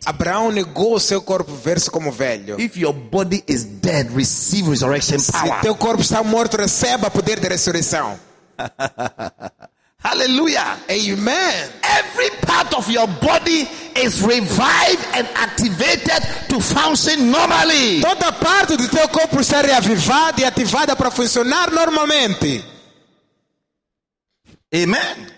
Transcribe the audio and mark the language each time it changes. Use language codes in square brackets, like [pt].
[pt] Abraão negou o seu corpo ver-se como velho. [en] If your body is dead, receive resurrection power. [pt] Se teu corpo está morto, receba poder de ressurreição. Hallelujah. Amen. [en] Every part of your body is revived and activated to function normally. [pt] Toda parte do teu corpo está reavivada e ativada para funcionar normalmente. Amen.